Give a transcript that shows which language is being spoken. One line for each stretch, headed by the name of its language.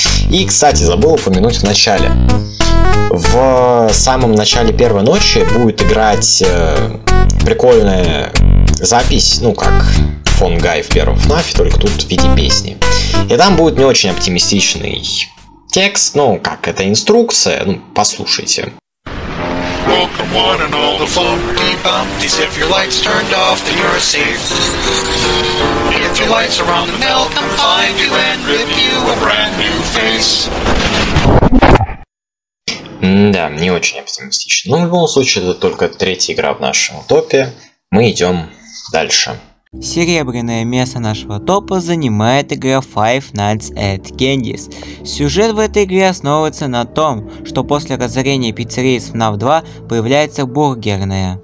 Russian: И, кстати, забыл упомянуть в начале. В самом начале первой ночи будет играть прикольная запись, ну как Фон Гай в первом ФНАФе, только тут в виде песни. И там будет не очень оптимистичный текст, ну как, это инструкция, ну послушайте.
English: Welcome one and all the funky bumpties. If your light's turned off, then you're safe. If your light's are on, then they'll come find you and rip you a brand new face.
Russian: Да, не очень оптимистично. Но в любом случае, это только третья игра в нашем топе. Мы идем дальше. Серебряное место нашего топа занимает игра Five Nights at Candy's. Сюжет в этой игре основывается на том, что после разорения пиццерии с FNAF 2 появляется бургерная.